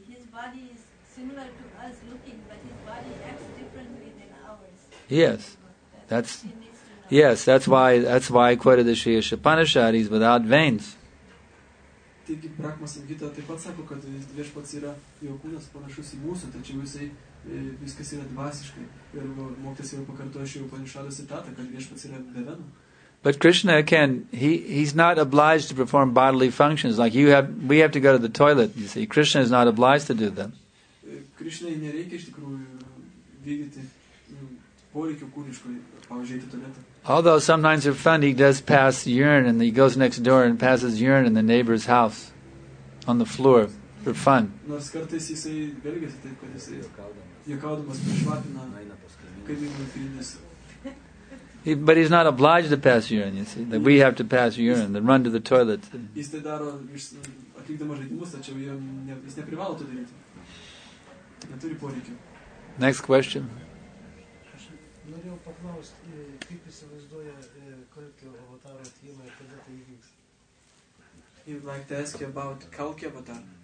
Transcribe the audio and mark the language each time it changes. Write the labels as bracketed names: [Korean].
[English] His body is similar to us looking, but his body acts differently than ours. Yes. That's why I quoted the Shriya Upanishad, he's without veins. [Lithuanian] Taigi Brahma Samhita taip pat sako, kad viešpats yra jo kūnas panašus į mūsų, tačiau jisai viskas yra dvasiškai. Ir mokytas jau pakartojo šį Upanišado citatą, kad viešpats yra be venų. [English] But Krishna can, he's not obliged to perform bodily functions, like we have to go to the toilet, you see. Krishna is not obliged to do that. [Lithuanian] Krishnai nereikia iš tikrųjų vykdyti poreikio kūniško, pavyzdžiui, eiti į tualetą. [English] Although sometimes for fun he does pass urine and he goes next door and passes urine in the neighbor's house on the floor for fun. [Lithuanian] Nors kartais jisai belgiasi taip, kad jisai jokaudamas prišvapina kaimynų urinės. [English] But he's not obliged to pass urine, you see. That we have to pass urine, then run to the toilet. [Lithuanian] Jis tai daro atlikdamas žaidimus, tačiau jis neprivalo to daryti. Neturi poreikio. [English] Next question. [Lithuanian] Norėjau paklausti, kaip įsivaizduoja Kalkio avataro atėjimą ir kada tai įvyks. [English] He would like to ask you about Kalkio avatar.